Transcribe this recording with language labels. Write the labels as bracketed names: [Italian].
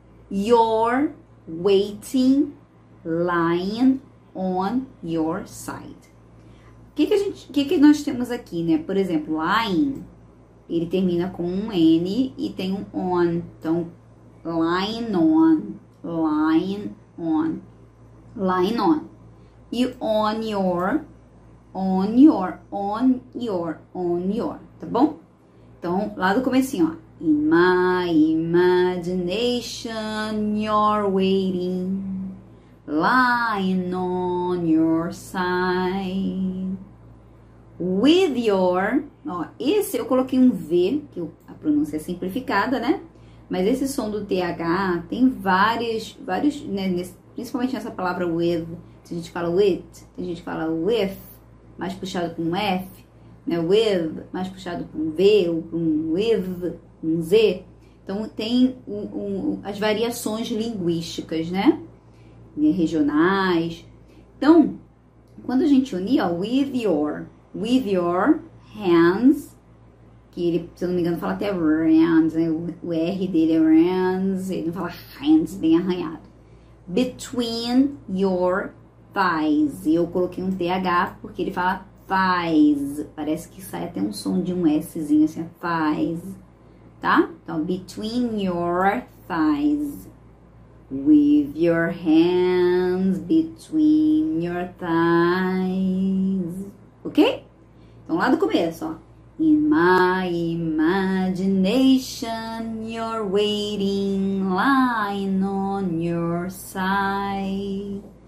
[English] You're waiting, lying on your side. [Portuguese] O que nós temos aqui, né? Por exemplo, lying, ele termina com um N e tem um on. [English] Então, lying on, lying on, lying on. E on your, on your, on your, [Portuguese] tá bom? Então, lá do comecinho, ó. [English] In my imagination, you're waiting, lying on your side. [Portuguese] With your, ó, esse eu coloquei um V, que a pronúncia é simplificada, né? Mas esse som do TH tem vários, né? Principalmente nessa palavra with, tem gente que fala with, tem gente que fala with, mais puxado com um F, né? With, mais puxado com um V, ou com um with, um Z. Então, tem as variações linguísticas, né? Regionais. Então, quando a gente unir, ó, with your... With your hands, que ele, se eu não me engano, fala até hands, né? O R dele é hands, ele não fala hands, bem arranhado. Between your thighs, e eu coloquei um TH porque ele fala thighs, parece que sai até um som de um Szinho assim, thighs, tá? Então, between your thighs. [English] With your hands between your thighs. Ok? [Portuguese] Então, lá do começo, ó. [English] In my imagination, you're waiting, lying on your side.